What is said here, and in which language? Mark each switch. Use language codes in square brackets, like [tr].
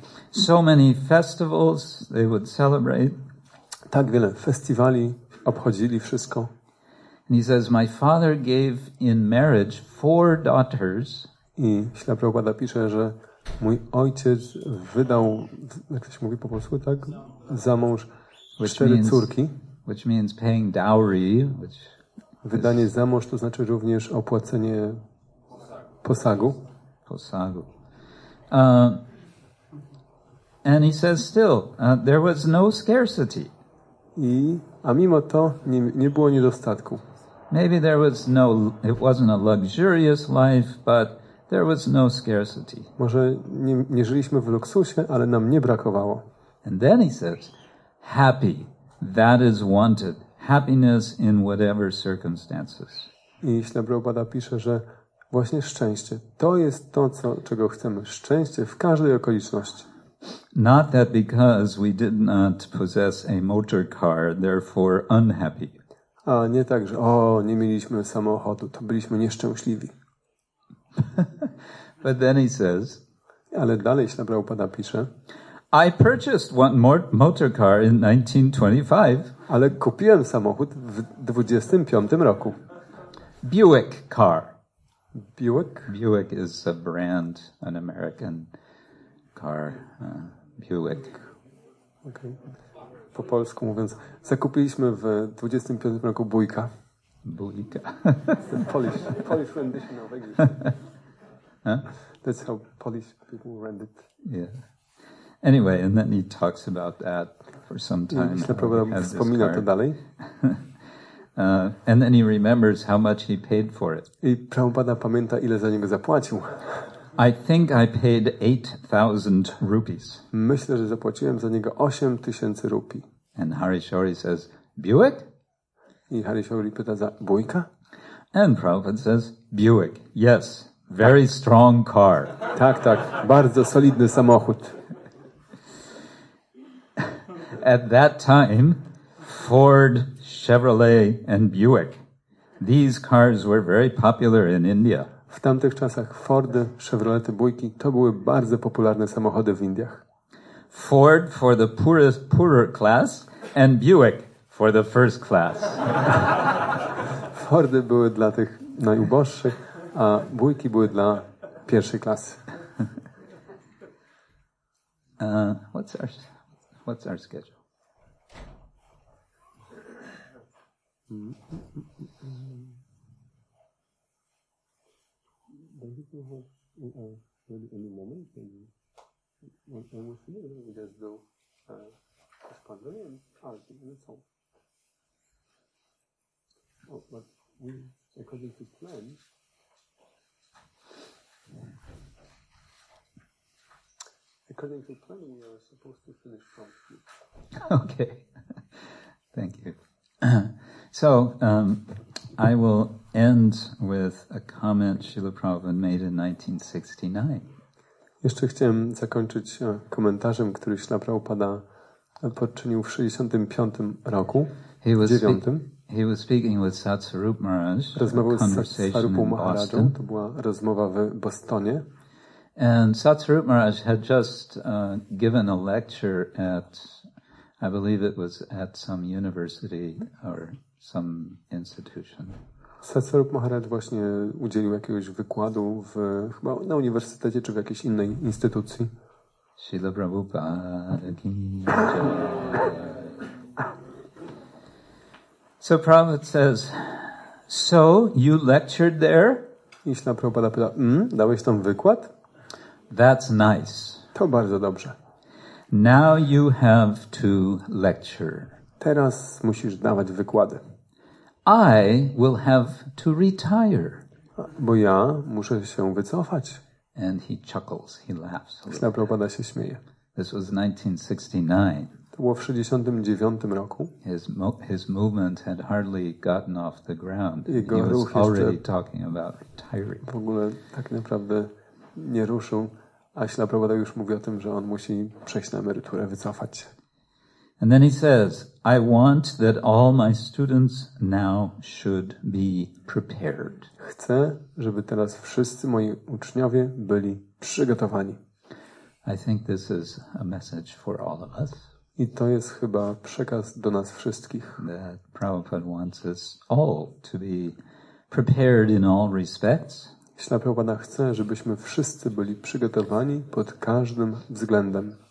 [en] So many festivals they would celebrate. [pl] Tak wiele festiwali obchodzili wszystko. [en] And he says, my father gave in marriage four daughters. [pl] I Śla Prabhupada pisze, że mój ojciec wydał, jak to się mówi po polsku, tak? Za mąż cztery córki. [en] Which means paying dowry, which [pl] wydanie za mąż to znaczy również opłacenie posagu. Posagu. [en] And he says still, there was no scarcity. [pl] A mimo to nie było niedostatku. [en] Maybe there was no, it wasn't a luxurious life, but there was no scarcity. [pl] Może nie żyliśmy w luksusie, ale nam nie brakowało. [en] And then he says, happy, that is wanted. Happiness in whatever circumstances. [pl] I Śla Prabhupada pisze, że właśnie szczęście, to jest to, czego chcemy. Szczęście w każdej okoliczności. [en] Not that because we did not possess a motor car, therefore unhappy. [pl] A nie tak, że o, nie mieliśmy samochodu, to byliśmy nieszczęśliwi. [en] But then he says, [pl] ale dalej Śla Prabhupada pisze, [en] I purchased one motor car in 1925. [pl] Ale kupiłem samochód w 25 roku. [en] Buick car. Buick? Buick is a brand, an American car. Buick. Okay. [pl] Po polsku mówiąc, zakupiliśmy w 25 roku Bujka. Bujka. [en] Polish rendition of English. Huh? That's how Polish people rend it. Yeah. Anyway, and then he talks about that for some time. [pl] I wspomina to dalej. [en] And then he remembers how much he paid for it. [pl] I Prabhupada pamięta, ile za niego zapłacił. [en] I think I paid 8,000 rupees. [pl] Myślę, że zapłaciłem za niego 8,000 rupii. [en] And Harishori says, Buick? [pl] I Harishori pyta za Bujka? [en] And Prabhupada says, Buick, yes, very strong car. [pl] Tak, tak, bardzo solidny samochód. [en] At that time, Ford, Chevrolet and Buick. These cars were very popular in India. [pl] W tamtych czasach Fordy, Chevrolety, Bujki to były bardzo popularne samochody w Indiach. [en] Ford for the poorer class and Buick for the first class. [pl] Fordy były dla tych najuboższych, a Bujki były dla pierwszej klasy. [en] What's our schedule? Don't you have maybe any moment when we feel it, we just go responding and asking and so on. Oh, but we, according to plan, we are supposed to finish promptly. Okay. Thank you. So, I will end with a comment Śrīla Prabhupāda made in 1969. [pl] Jeszcze chciałem zakończyć komentarzem, który Śrīla Prabhupāda poczynił w 65 roku. [en] He was speaking with Satsarup Maharaj. [pl] Rozmawiał z Satsarupą Maharają. To była rozmowa w Bostonie. [en] And Satsarup Maharaj had just given a lecture at, I believe it was at some university or some institution. [pl] Satsarup Maharaj właśnie udzielił jakiegoś wykładu w chyba na uniwersytecie czy w jakiejś innej instytucji. [hi] Śrīla Prabhupāda ki jai. [en] So Prabhupada says, so you lectured there? [pl] I Śrīla Prabhupāda pyta, dałeś tam wykład? [en] That's nice. [pl] To bardzo dobrze. [en] Now you have to lecture. [pl] Teraz musisz dawać wykłady. [en] I will have to retire. [pl] Bo ja muszę się wycofać. [en] And he chuckles, he laughs. [pl] Śrīla Prabhupāda się śmieje. [en] This was 1969. [pl] To było w 69 roku. [en] His movement had hardly gotten off the ground. [pl] Jego [en] he was already talking about retiring. [pl] W ogóle tak naprawdę nie ruszył. A Śrīla Prabhupāda już mówi o tym, że on musi przejść na emeryturę, wycofać. [en] And then he says, I want that all my students now should be prepared. [pl] Chcę, żeby teraz wszyscy moi uczniowie byli przygotowani. [en] I think this is a message for all of us. [pl] I to jest chyba przekaz do nas wszystkich. [en] That Prabhupada wants us all to be prepared in all respects. [pl] Śrīla Prabhupāda chce, żebyśmy wszyscy byli przygotowani pod każdym względem.